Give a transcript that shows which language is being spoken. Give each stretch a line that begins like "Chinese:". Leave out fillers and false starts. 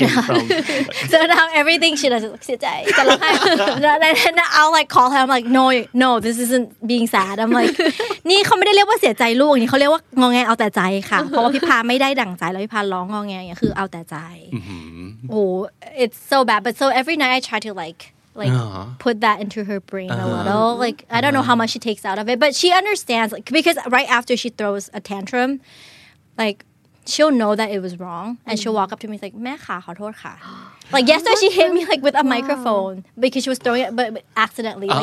English: you told her before that it was okay. So now everything she does is like, and then I'll like call her. I'm like, no, this isn't being sad. I'm like,
Thai: นี่เขาไม่ได้เรียกว่าเสียใจลูกนี่เขาเรียกว่างองแงเอาแต่ใจค่ะเพราะว่าพี่พาไม่ได้ดั่งใจแล้วพี่พาร้องงองแงอย่างคือเอาแต่ใจโอ้
English: it's so bad. But so every night I try to like put that into her brain a little. Like, I don't know how much she takes out of it, but she understands. Like, because right after she throws a tantrum, like. She'll know that it was wrong. And mm-hmm. she'll walk up to me and be like,
Thai: แม่ค่ะขอโทษค่ะ
English: Like yesterday she hit me like with a microphone because she was throwing it but accidentally.